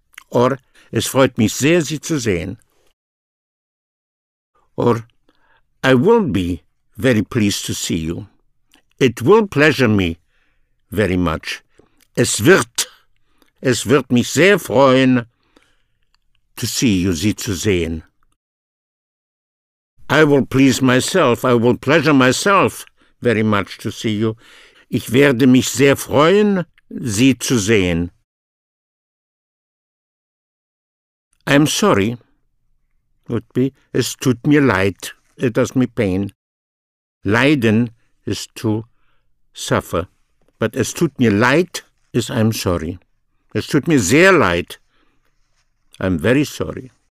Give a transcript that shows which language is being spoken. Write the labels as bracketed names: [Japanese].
[German] Or, es freut mich sehr, sie zu sehen. [English] Or, I will be very pleased to see you. It will pleasure me very much. [German] Es wird mich sehr freuen, [English] to see you, [German] sie zu sehen. [English] I will please myself, I will pleasure myself very much to see you. [German] Ich werde mich sehr freuen, sie zu sehen. [English] I'm sorry, would be, [German] es tut mir leid, [English] it does me pain. Leiden is to suffer. But [German] es tut mir leid [English] is I'm sorry. [German] Es tut mir sehr leid. [English] I'm very sorry.